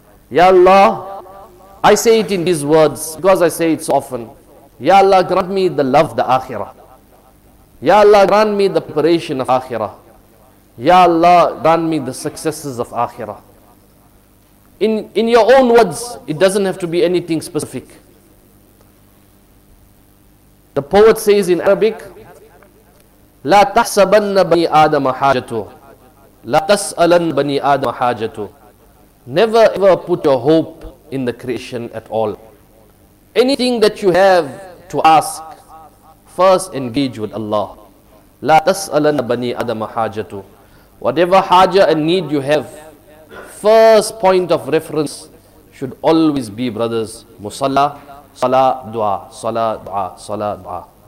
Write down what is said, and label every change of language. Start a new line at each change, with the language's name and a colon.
English: Ya Allah, I say it in these words because I say it so often. Ya Allah, grant me the love of the Akhirah. Ya Allah, grant me the preparation of Akhirah. Ya Allah, grant me the successes of Akhirah. In your own words, it doesn't have to be anything specific. The poet says in Arabic,
Arabic: لا تحسبن بني آدم حاجته لا تسألن بني آدم حاجته.
English: Never ever put your hope in the creation at all. Anything that you have to ask, first engage with Allah.
Arabic: لا تسألن بني آدم حاجته.
English: Whatever haja and need you have, first point of reference should always be, brothers, musalla, salah, dua, salah, dua, salah, dua.